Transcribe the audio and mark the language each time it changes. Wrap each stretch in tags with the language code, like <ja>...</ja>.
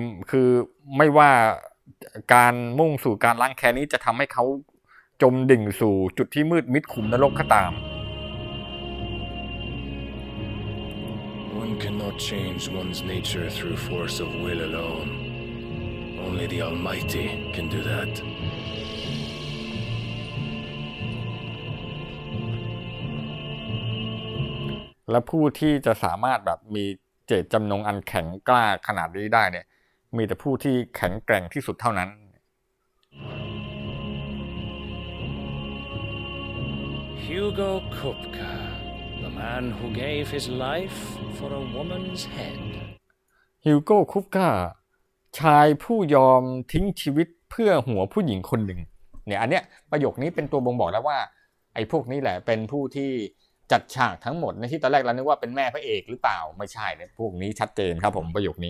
<th>คือไม่ว่าการมุ่งสู่การล้างแค้นนี้จะทำให้เขาจมดิ่งสู่จุดที่มืดมิดขุมนรกก็ตาม</th> <en>One cannot change one's nature through force of will alone. Only the Almighty can do that.</en> <th>และผู้ที่จะสามารถแบบมีเจตจำนงอันแข็งกล้าขนาดนี้ได้เนี่ยมีแต่ผู้ที่แข็งแกร่งที่สุดเท่านั้น</th> <en>Hugo Kupka, the man who gave his life for a woman's head.</en> <th>Hugo Kupka, ชายผู้ยอมทิ้งชีวิตเพื่อหัวผู้หญิงคนหนึ่งเนี่ยอันเนี้ยประโยคนี้เป็นตัวบ่งบอกแล้วว่าไอ้พวกนี้แหละเป็นผู้ที่จัดฉากทั้งหมดในที่ตอนแรกเรานึกว่าเป็นแม่พระเอกหรือเปล่าไม่ใช่เนี่ยพวกนี้ชัดเจนครับผมประโยคนี</th>